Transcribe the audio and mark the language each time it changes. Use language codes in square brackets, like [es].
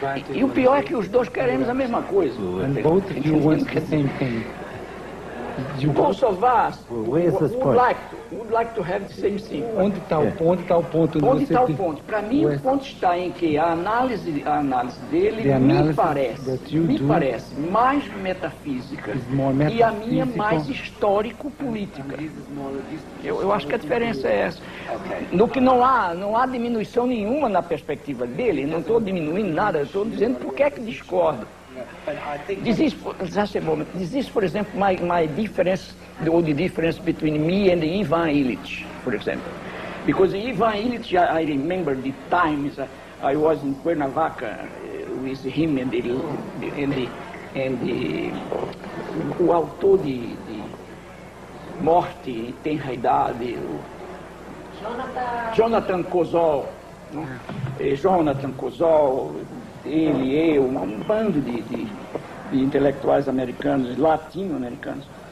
[pt] E o pior é que os dois queremos a mesma coisa. [en] Both of you want the same thing. Both of us would like to have the same thing. [pt] Onde está o ponto? Onde está o ponto? Onde está o ponto? Para mim, o ponto está em que a análise dele me parece mais metafísica e a minha mais histórico-política. Eu acho que a diferença é essa. No que não há diminuição nenhuma na perspectiva dele, não estou diminuindo nada, estou dizendo porque é que discordo. [en] This is, for example, my difference, the difference between me and Ivan Illich, for example. Because Ivan Illich, I remember the times I was in Cuernavaca with him and the [pt] autor de Morte e Tenra Idade, [en] Jonathan Kozol, [pt] ele, eu, um bando de intelectuais americanos, latino-americanos.